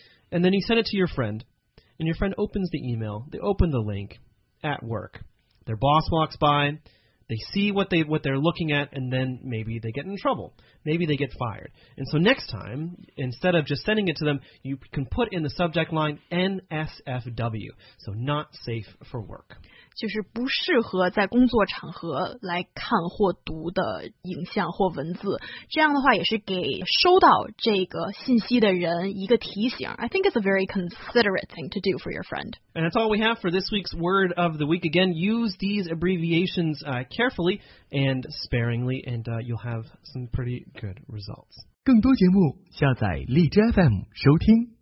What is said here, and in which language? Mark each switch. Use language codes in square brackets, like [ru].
[en] And then you send it to your friend, and your friend opens the email. They open the link at work. Their boss walks by. They see what they're looking at, and then maybe they get in trouble. Maybe they get fired. And so next time, instead of just sending it to them, you can put in the subject line NSFW. So not safe for work. [zh] 就是不适合在工作场合来看或读的影像或文字。这样的话也是给收到这个信息的人一个提醒。 [en] I think it's a very considerate thing to do for your friend. And that's all we have for this week's Word of the Week. Again, use these abbreviations carefully and sparingly, and you'll have some pretty good results. [zh] 更多节目下载荔枝 FM 收听。